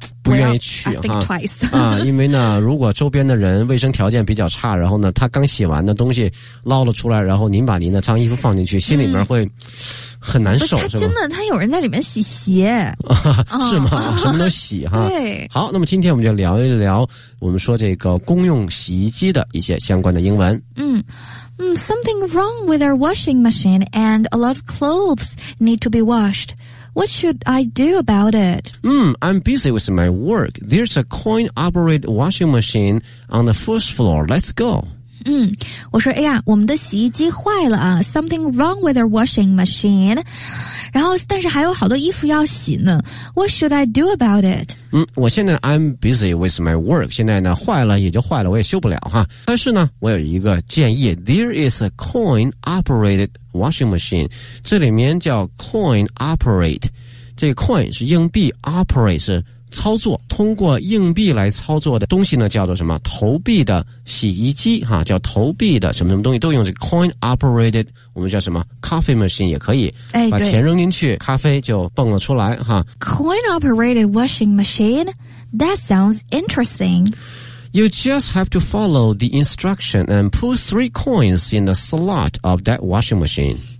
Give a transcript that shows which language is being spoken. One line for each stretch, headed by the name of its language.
Chinese: 不愿意去啊，因为呢，如果周边的人卫生条件比较差，然后呢，他刚洗完的东西捞了出来，然后您把您的脏衣服放进去，心里面会很难受，是吧？真的，他有人在里面洗鞋，是吗？什么都洗哈。对。好，那么今天我们就聊一聊，我们说这个公用洗衣机的一些相关的英文。
English: Something wrong with our washing machine and a lot of clothes need to be washed. What should I do about it? I'm busy with my work. There's a coin-operated washing machine on the first floor. Let's go.
Chinese: 我说哎呀，我们的洗衣机坏了啊。
English: Something wrong with our washing machine.
Chinese: 然后但是还有好多衣服要洗呢。
English: What should I do about it?
Chinese: 我现在
English: I'm busy with my work.
Chinese: 现在呢坏了也就坏了，我也修不了哈。但是呢我有一个建议。
English: There is a coin operated washing machine.
Chinese: 这里面叫 coin operate. 这个 coin 是硬币， operate 是操作，通过硬币来操作的东西呢叫做什么？投币的洗衣机哈，叫投币的什么什么东西都用这个 coin operated， 我们叫什么 coffee machine 也可以，哎，把钱扔进去咖啡就蹦了出来哈。
English: coin operated washing machine, that sounds interesting. You just have to follow the instruction and put 3 coins in the slot of that washing machine.